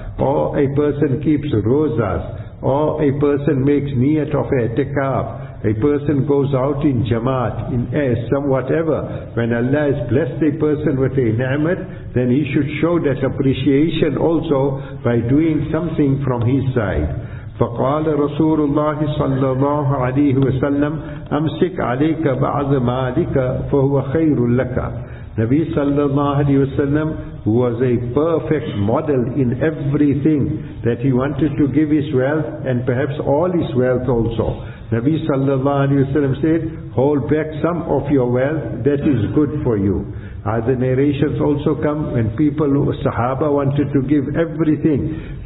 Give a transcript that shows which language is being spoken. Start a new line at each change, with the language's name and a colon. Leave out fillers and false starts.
English: Or a person keeps rozas, or a person makes niyat of i'tikaf. A person goes out in jamaat, in some whatever. When Allah has blessed a person with a ni'mat, then he should show that appreciation also by doing something from his side.
Arabic: فَقَالَ رَسُولُ اللَّهِ صَلَّى اللَّهُ عَلَيْهُ وَسَلَّمْ أَمْسِكْ عَلَيْكَ بَعْضَ مَالِكَ فَهُوَ خَيْرٌ لَكَ. Nabi sallallahu alayhi wa sallam
English: who was a perfect model in everything, that he wanted to give his wealth and perhaps all his wealth also. Nabi sallallahu alayhi wa sallam said, hold back some of your wealth, that is good for you. Other narrations also come when people, Sahaba, wanted to give everything.